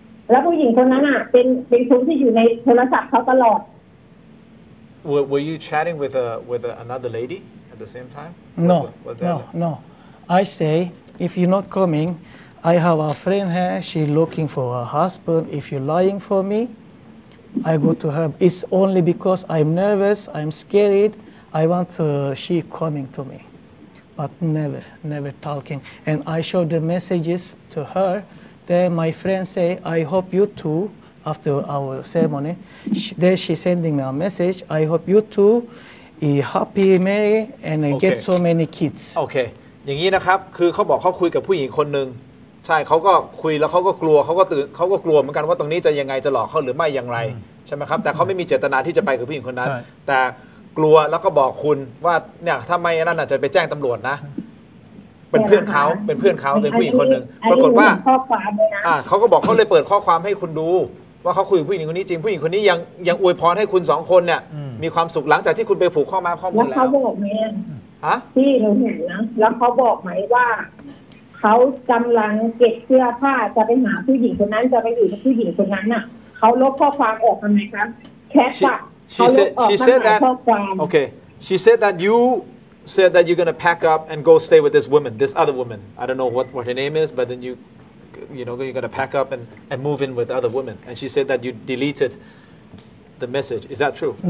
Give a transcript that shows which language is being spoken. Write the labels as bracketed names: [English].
[Thai] แล้วผู้หญิงคนนั้นอ่ะเป็นคนที่อยู่ในโทรศัพท์เขาตลอด [English] Were you chatting with another lady at the same time? No, no. I say if you're not coming, I have a friend here. She looking for a husband. If you're lying for me. I go to her. It's only because I'm nervous, I'm scared. I want she coming to me. But never talking. And I show the messages to her. Then my friend say, I hope you too, after our ceremony. Then she sending me a message. I hope you too, be happy, marry, and okay. Get so many kids. Okay. [Thai] อย่างนี้นะครับคือเขาบอกเขาคุยกับผู้หญิงคนหนึ่งใช่เขาก็คุยแล้วเขาก็กลัวเขาก็ตื่นเขาก็กลัวเหมือนกันว่าตรงนี้จะยังไงจะหลอกเขาหรือไม่อย่างไรใช่ไหมครับแต่เขาไม่มีเจตนาที่จะไปกับผู้หญิงคนนั้นแต่กลัวแล้วก็บอกคุณว่าเนี่ยถ้าไม่นั่นจะไปแจ้งตำรวจนะเป็นเพื่อนเขาเป็นผู้หญิงคนหนึ่งปรากฏว่าเขาก็บอกเขาเลยเปิดข้อความให้คุณดูว่าเขาคุยกับผู้หญิงคนนี้จริงผู้หญิงคนนี้ยังอวยพรให้คุณสองคนเนี่ยมีความสุขหลังจากที่คุณไปผูกข้อมาข้อมูลแล้ว เขาบอกไหมที่เราเห็นนะแล้วเขาบอกไหมว่าเขากำลังเก็บเสื้อผ้าจะไปหาผู้หญิงคนนั้นจะไปอยู่กับผู้หญิงคนนั้นน่ะเขาลบข้อความออกทำไมครับแค ชเขาลบออกทำไมข้อความโอเค [English] she said that you said that you're gonna pack up and go stay with this other woman I don't know what her name is but then you know you're gonna pack up and move in with other women and she said that you deleted the message is that true